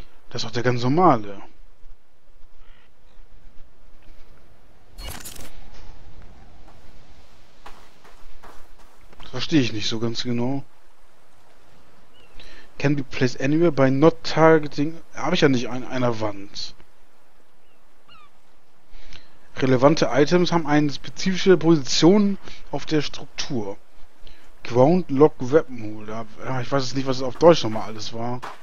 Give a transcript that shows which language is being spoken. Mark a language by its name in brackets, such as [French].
[German] Das ist auch der ganz normale. Verstehe ich nicht so ganz genau. [English] Can be placed anywhere by not targeting. [German] Habe ich ja nicht an einer Wand. Relevante Items haben eine spezifische Position auf der Struktur. Ground Lock Weaponhole. Ich weiß jetzt nicht, was es auf Deutsch nochmal alles war.